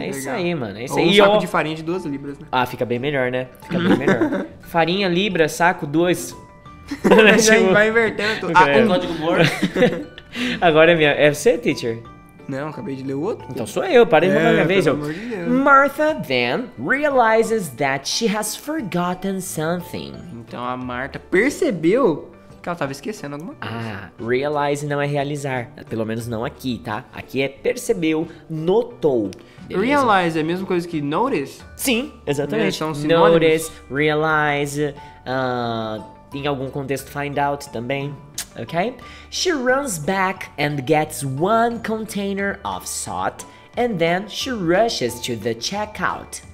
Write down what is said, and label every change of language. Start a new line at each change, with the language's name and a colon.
Portuguese: legal. Isso aí, mano. É isso. Ou aí. Um saco de farinha de 2 libras, né? Ah, fica bem melhor, né? Fica bem melhor. Farinha, libra, saco, 2. Tipo... Vai invertendo. Ah, um código Morse. Agora é minha. É você, teacher? Não, acabei de ler o outro. Então sou eu, parei de falar minha vez. Pelo amor de Deus.
English: Martha then realizes that she has forgotten something.
Portuguese: Então a Martha percebeu que ela tava esquecendo alguma coisa. Ah, realize não é realizar. Pelo menos não aqui, tá? Aqui é percebeu, notou. Beleza? Realize é a mesma coisa que notice? Sim, exatamente. São sinônimos. Notice, realize, em algum contexto find out também. Ok?
English: She runs back and gets one container of salt, and then she rushes to the checkout.